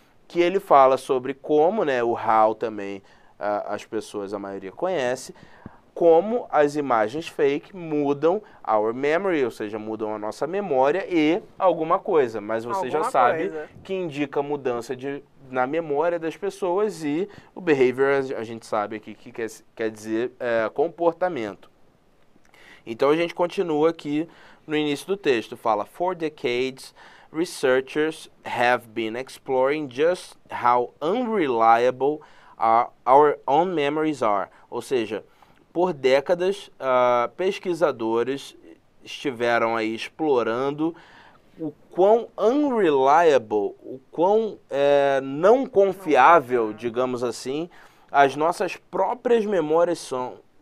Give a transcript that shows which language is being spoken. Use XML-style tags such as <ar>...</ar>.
<pt>que ele fala sobre como, né, o how também as pessoas, a maioria conhece, como as imagens fake mudam</pt> <en>our memory,</en> <pt>ou seja, mudam a nossa memória e alguma coisa. Mas você alguma já sabe coisa que indica mudança na memória das pessoas e o behavior, a gente sabe aqui que quer dizer comportamento. Então a gente continua aqui no início do texto. Fala,</pt> <en>for decades, researchers have been exploring just how unreliable our own memories are.</en> <pt>Ou seja, por décadas, pesquisadores estiveram aí explorando o quão unreliable, o quão não confiável, digamos assim, as nossas próprias memórias são.</pt>